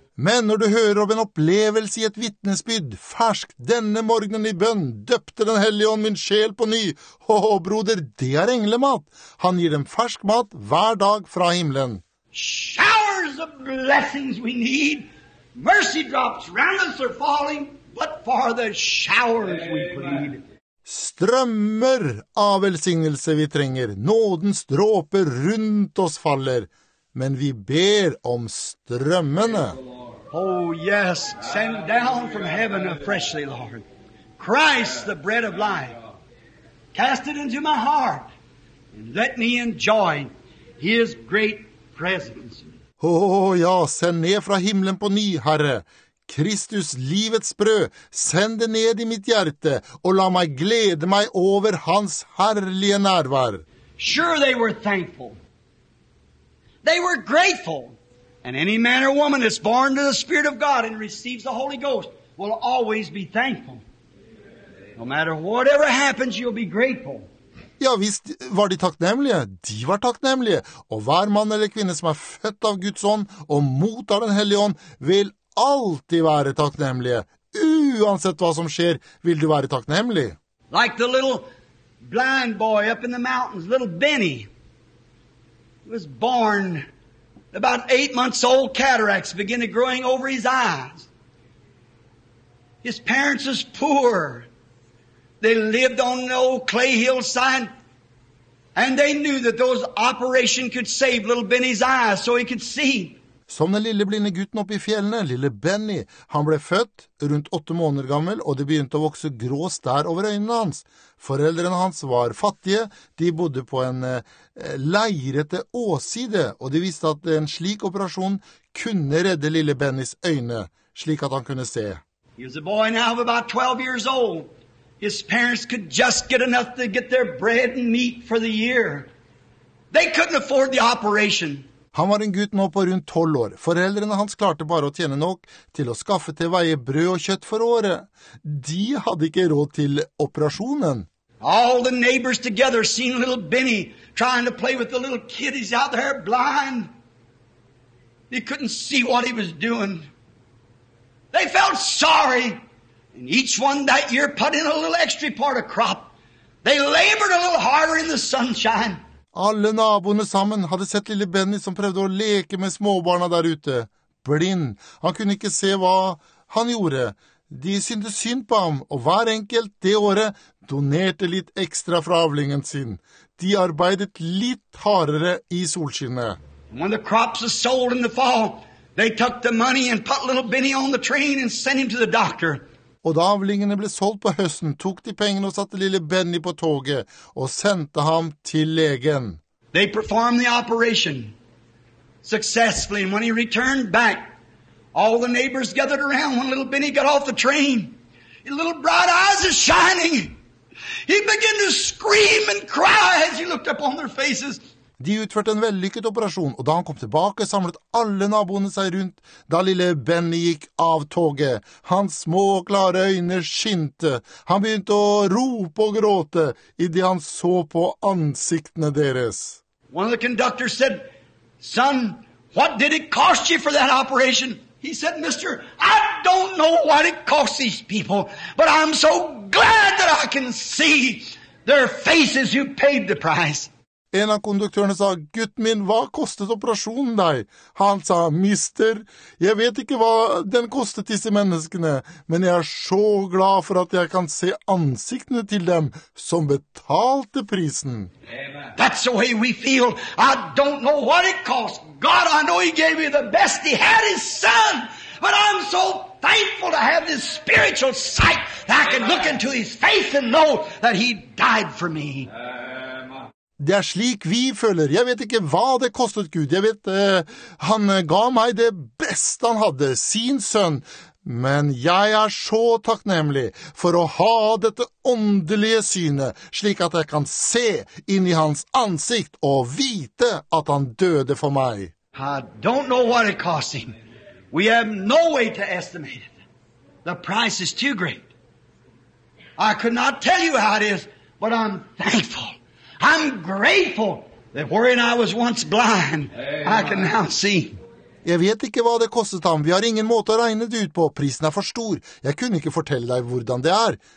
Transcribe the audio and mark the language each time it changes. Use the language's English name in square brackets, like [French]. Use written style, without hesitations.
[Norwegian] Men når du hører om en opplevelse I et vitnesbyrd, fersk, denne morgenen I bønn, døpte den hellige ånd min sjel på ny. Åh, broder, det englemat. Han gir dem fersk mat hver dag fra himmelen. [English] Showers of blessings we need. Mercy drops round us are falling, but for the showers we plead. [Norwegian] Strømmer av velsignelse vi trenger. Nådens dråper rundt oss faller. Men vi ber om strømmene. [English] Oh, yes, send down from heaven freshly, Lord. Christ, the bread of life, cast it into my heart, and let me enjoy his great presence. [Norwegian] Oh, ja, send ned fra himlen på ny, Herre. Kristus, livets brød, send det ned I mitt hjerte, og la meg glede meg over hans herlige nærvær. [English] Sure, they were thankful. They were grateful. And any man or woman that's born to the Spirit of God and receives the Holy Ghost will always be thankful. No matter whatever happens, you'll be grateful. [Norwegian] Ja, visst var de takknemlige. De var takknemlige. Og hver mann eller kvinne som født av Guds ånd og mottar den hellige ånd vil alltid være takknemlige. Uansett hva som skjer, vil du være takknemlig. [English] Like the little blind boy up in the mountains, little Benny. He was born... About 8 months old, cataracts began growing over his eyes. His parents was poor. They lived on the old clay hillside. And they knew that those operation could save little Benny's eyes so he could see. [Norwegian] Som den lille blinde gutten oppe I fjellene, lille Benny, han ble født rundt 8 måneder gammel, og det begynte å vokse grå stær over øynene hans. Foreldrene hans var fattige, de bodde på en leirete åside, og de visste at en slik operasjon kunne redde lille Bennys øyne, slik at han kunne se. [English] He was a boy now of about 12 years old. His parents could just get enough to get their bread and meat for the year. They couldn't afford the operation. [Norwegian] Han var en gutt nå på rundt 12 år. Foreldrene hans klarte bare å tjene nok til å skaffe til veie brød og kjøtt for året. De hadde ikke råd til operasjonen. [English] All the neighbors together seen little Benny trying to play with the little kid. He's out there blind. He couldn't see what he was doing. They felt sorry. And each one that year put in a little extra part of crop. They labored a little harder in the sunshine. [Norwegian] Alle naboene sammen hadde sett lille Benny som prøvde å leke med småbarna der ute. Blind. Han kunne ikke se hva han gjorde. De syntes synd på ham, og hver enkelt det året donerte litt ekstra fra avlingen sin. De arbeidet litt hardere i solskinnet. [English] When the crops were sold in the fall, they took the money and put little Benny on the train and sent him to the doctor. [Norwegian] Og da avlingene ble solgt på høsten, tok de pengene og satte lille Benny på toget og sendte ham til legen. [English] They performed the operation successfully, and when he returned back, all the neighbors gathered around when little Benny got off the train. His little bright eyes are shining. He began to scream and cry as he looked up on their faces. [Norwegian] De utførte en vellykket operasjon, og da han kom tilbake, samlet alle naboene seg rundt da lille Benny gikk av toget. Hans små og klare øyne skinte. Han begynte å rope og gråte i det han så på ansiktene deres. [English] One of the conductors said, "Son, what did it cost you for that operation?" He said, "Mister, I don't know what it cost these people, but I'm so glad that I can see their faces who paid the price." [Norwegian] En av konduktørene sa, "Gutt min, hva kostet operasjonen deg?" Han sa, "Mister, jeg vet ikke hva den kostet disse menneskene, men jeg så glad for at jeg kan se ansiktene til dem som betalte prisen." [English] Amen. That's the way we feel. I don't know what it cost. God, I know he gave me the best. He had his son. But I'm so thankful to have this spiritual sight that I can look into his face and know that he died for me. [Norwegian] Det er slik vi føler. Jeg vet ikke hva det kostet Gud. Jeg vet han ga meg det beste han hadde, sin sønn. Men jeg er så takknemlig for å ha dette åndelige synet, slik at jeg kan se inn i hans ansikt og vite at han døde for meg. [English] I don't know what it cost him. We have no way to estimate it. The price is too great. I could not tell you how it is, but I'm thankful. I'm grateful that wherein I was once blind, I can now see. [Norwegian] Jeg vet ikke hva det kostet ham. Vi har ingen måte å regne det ut på. Prisen er for stor. Jeg kunne ikke fortelle deg hvordan det er.